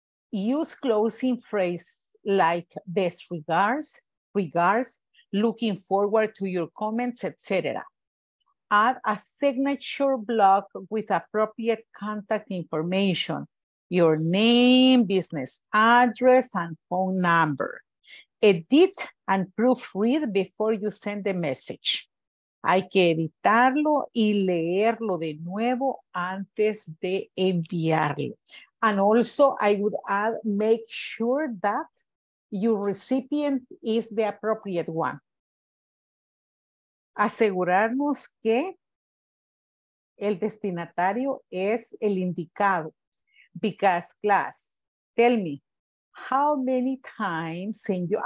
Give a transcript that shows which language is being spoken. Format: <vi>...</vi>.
<en>Use closing phrases like best regards, regards, looking forward to your comments, etc. Add a signature block with appropriate contact information, your name, business address, and phone number. Edit and proofread before you send the message.</en> <es>Hay que editarlo y leerlo de nuevo antes de enviarlo.</es> <en>And also, I would add, make sure that your recipient is the appropriate one.</en> <es>Asegurarnos que el destinatario es el indicado.</es> <en>Because, class, tell me, how many times in your...</en>